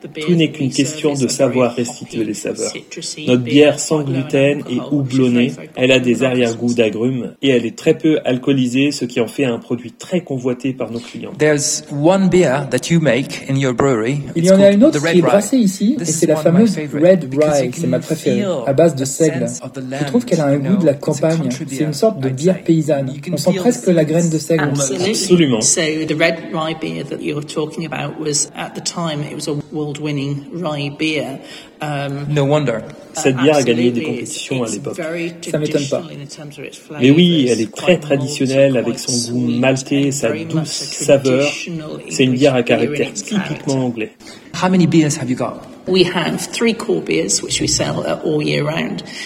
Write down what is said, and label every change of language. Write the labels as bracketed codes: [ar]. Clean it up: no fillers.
[fr] Tout n'est qu'une question de savoir restituer les saveurs. Notre bière sans gluten est houblonnée, elle a des arrière-goûts d'agrumes et elle est très peu alcoolisée, ce qui en fait un produit très convoité par nos clients. Il y en a une autre qui est brassée ici et c'est la fameuse Red Rye, c'est ma préférée, à base de seigle. Je trouve qu'elle a un goût de la campagne, c'est une sorte de bière paysanne. On sent presque la graine de seigle. Absolument. [en] So the Red Rye beer that you're talking about was at the time it was a world-winning rye beer. No wonder. [fr] Cette bière a gagné des compétitions à l'époque. Ça ne m'étonne pas. Mais oui, elle est très traditionnelle avec son goût maltais, sa douce saveur. C'est une bière à caractère typiquement anglais. [en] How many beers have you got? We have three core beers which we sell all year round.